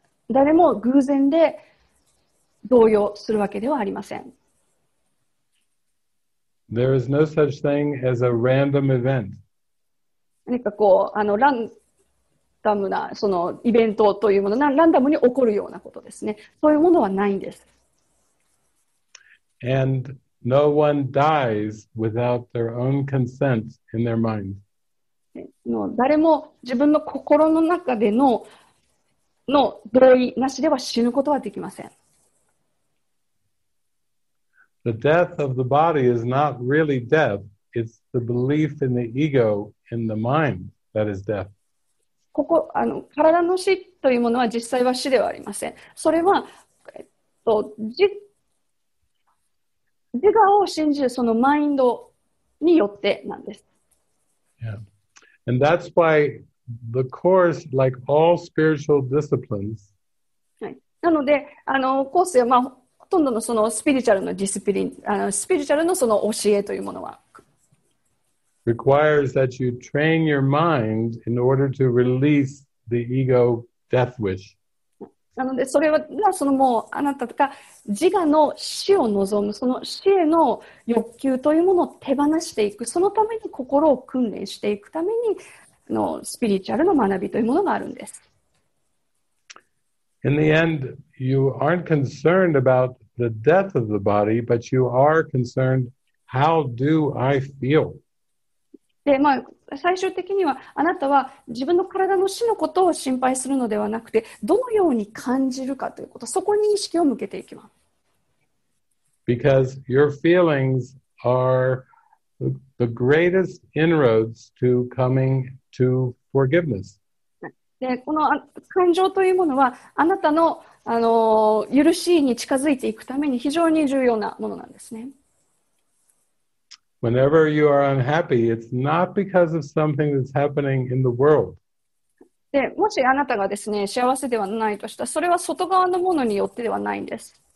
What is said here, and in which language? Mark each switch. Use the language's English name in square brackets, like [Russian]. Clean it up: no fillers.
[Japanese] 誰も偶然で動揺するわけではありません。 [English] There is no such thing as a random event. [Japanese] 何かこう、ランダムな、そのイベントというもの、ランダムに起こるようなことですね。そういうものはないんです。 [English] And no one dies without their own consent in their mind. [Japanese] 誰も自分の心の中で の同意なしでは死ぬことはできません。 [English] The death of the body is not really death. It's the belief in the ego, in the mind, that is death. [Japanese] ここ体の死というものは実際は死ではありません。それは、自我を信じるそのマインドによってなんです。 [English] Yeah. And that's why the course, like all spiritual disciplines, [Japanese] なのでコースや、まあ、ほとんどのそのスピリチュアルのディスプリン、スピリチュアルのその教えというものは、 [English] requires that you train your mind in order to release the ego death wish. [Japanese] なのでそれはそのもうあなたとか自我の死を望むその死への欲求というものを手放していくそのために心を訓練していくためにスピリチュアルの学びというものがあるんです。 [English] In the end, you aren't concerned about the death of the body, but you are concerned, how do I feel? [Japanese] で、まあ、最終的には、あなたは自分の体の死のことを心配するのではなくて、どのように感じるかということ、そこに意識を向けていきます。 [English] Because your feelings are the greatest inroads to coming to forgiveness. [Japanese] で、この感情というものは、あなたの、許しに近づいていくために非常に重要なものなんですね。 [English] Whenever you are unhappy, it's not because of something that's happening in the world. [Japanese] で、もしあなたがですね、幸せではないとしたら、それは外側のものによってではないんです。